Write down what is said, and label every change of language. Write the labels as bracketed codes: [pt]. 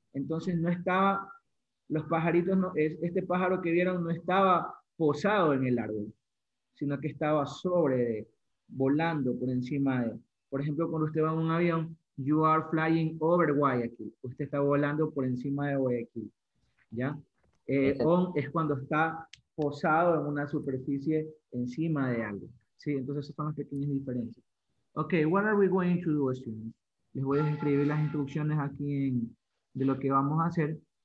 [es] Entonces no estaba, los pajaritos, no, es, este pájaro que vieron no estaba posado en el árbol, sino que estaba sobre, volando por encima de. Por ejemplo, cuando usted va en un avión, [en] you are flying over Guayaquil. [es] Usted está volando por encima de Guayaquil. ¿Ya? On es cuando está posado en una superficie encima de algo. Sí, entonces esas son las pequeñas diferencias. [en] Ok, what are we going to do, students? [es] Les voy a escribir las instrucciones aquí en, de lo que vamos a hacer.